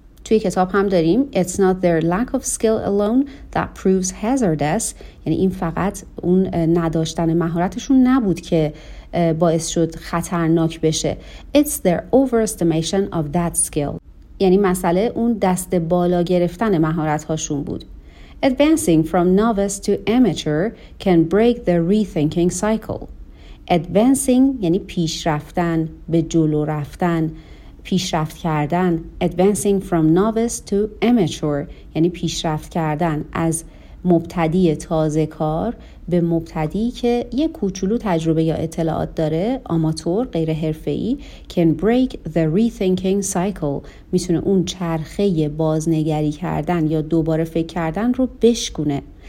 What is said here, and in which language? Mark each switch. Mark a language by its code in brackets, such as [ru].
[fa] توی کتاب هم داریم [en] It's not their lack of skill alone that proves hazardous، [fa] یعنی این فقط اون نداشتن مهارتشون نبود که باعث شد خطرناک بشه. [en] It's their overestimation of that skill، [fa] یعنی مسئله اون دست بالا گرفتن مهارت‌هاشون بود. [en] Advancing from novice to amateur can break the rethinking cycle. [fa] Advancing یعنی پیشرفتن، به جلو رفتن، پیشرفت کردن. [en] Advancing from novice to amateur [fa] یعنی پیشرفت کردن از مبتدی تازه کار به مبتدی که یک کوچولو تجربه یا اطلاعات داره، آماتور، غیر حرفه‌ای، [en] can break the rethinking cycle، [fa] میتونه اون چرخه بازنگری کردن یا دوباره فکر کردن رو بشکونه.